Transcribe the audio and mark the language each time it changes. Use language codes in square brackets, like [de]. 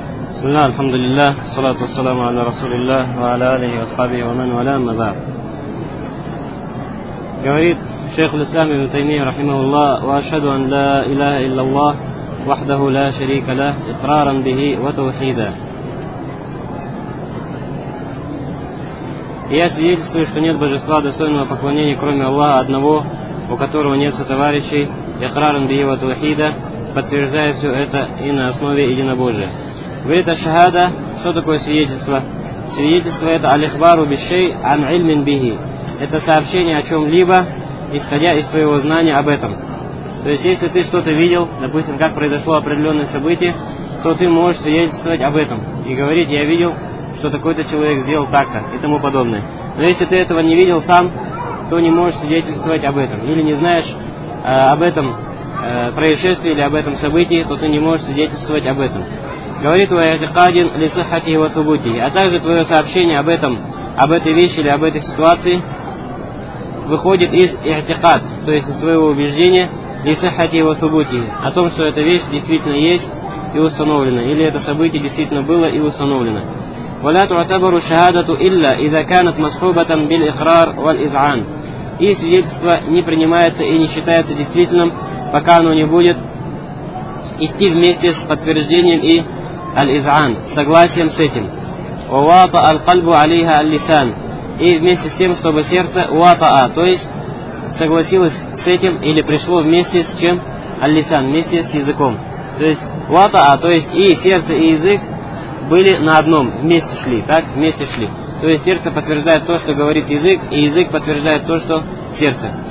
[ar] بسم الله الحمد لله والصلاة والسلام على رسول الله وعلى آله وأصحابه ومن والاه أما بعد. قريت شيخ الإسلام ابن تيمية رحمه الله وأشهد أن لا إله إلا الله وحده لا شريك له إقرارا به وتوحيدا. [ru] Я свидетельствую, что нет божества, достойного поклонения, кроме Аллаха одного, у которого нет сотоварищей, [ar] икрарен бихи ва тавхида, [ru] подтверждая все это и на основе единобожия. Говорит аш-шахада, что такое свидетельство? Свидетельство это [ar] алихбару бишей ан ильмин бихи. [ru] Это сообщение о чем-либо, исходя из твоего знания об этом. То есть, если ты что-то видел, допустим, как произошло определенное событие, то ты можешь свидетельствовать об этом и говорить, я видел, что такой-то человек сделал так-то и тому подобное. Но если ты этого не видел сам, то не можешь свидетельствовать об этом. Или не знаешь об этом происшествии или об этом событии, то ты не можешь свидетельствовать об этом. Говорит твой атикадин лисахати его субути. А также твое сообщение об этом, об этой вещи или об этой ситуации выходит из атикад, то есть из твоего убеждения лисахати его субути. О том, что эта вещь действительно есть и установлена. Или это событие действительно было и установлено. [ar] ولا تعتبر الشهادة إلا إذا كانت مصحوبة بالإقرار والإذعان. [ru] И свидетельство не принимается и не считается действительным, пока оно не будет идти вместе с подтверждением и الإذعان, согласием с этим. [ar] وواطا القلب عليها اللسان. [ru] И вместе с тем, чтобы сердце واطا, то есть согласилось с этим или пришло вместе с чем اللسان, вместе с языком. То есть واطا, то есть и сердце и язык были на одном, вместе шли, так? Вместе шли. То есть сердце подтверждает то, что говорит язык, и язык подтверждает то, что сердце.